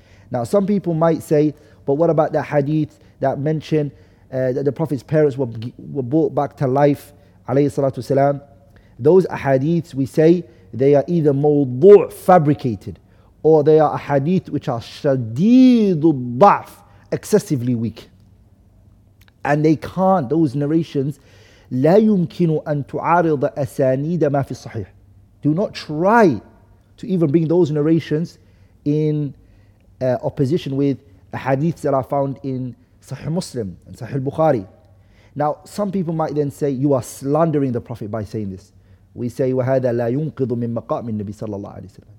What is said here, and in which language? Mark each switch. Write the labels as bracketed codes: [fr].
[en] Now, some people might say, but what about that hadith that mentioned that the Prophet's parents were brought back to life, alayhi salatu wasalam? Those ahadiths, we say, they are either mawdu' fabricated, or they are ahadith which are shadidul da'f, excessively weak. And they can't, those narrations, [ar] لا يمكن أن تعارض أسانيد ما في الصحيح. [en] Do not try to even bring those narrations in opposition with hadiths that are found in Sahih Muslim and Sahih Bukhari. Now, some people might then say, you are slandering the Prophet by saying this. We say, [ar] وَهَذَا لَا يُنْقِضُ مِن مَقَامِ النَّبِي صَلَّى اللَّهُ عَلَيْهِ وَسَلَّمَ.